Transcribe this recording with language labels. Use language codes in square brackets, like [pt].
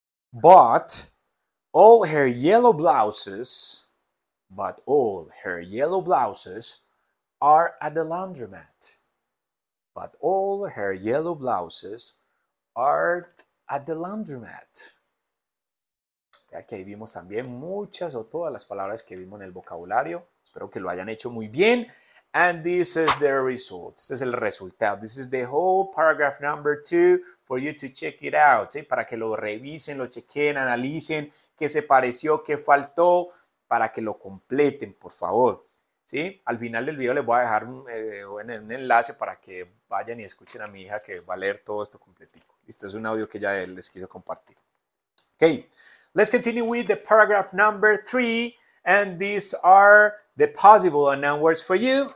[en] But all her yellow blouses are at the laundromat. But all her yellow blouses are at the laundromat. [es] Ya que ahí vimos también muchas o todas las palabras que vimos en el vocabulario. Espero que lo hayan hecho muy bien. [en] And this is the result. [es] Este es el resultado. [en] This is the whole paragraph number 2 for you to check it out. [es] ¿Sí? Para que lo revisen, lo chequen, analicen qué se pareció, qué faltó. Para que lo completen, por favor. ¿Sí? Al final del video les voy a dejar un enlace para que vayan y escuchen a mi hija que va a leer todo esto completito. Este es un audio que ya les quiso compartir. Ok. [en] Let's continue with the paragraph number 3, and these are the possible unknown words for you.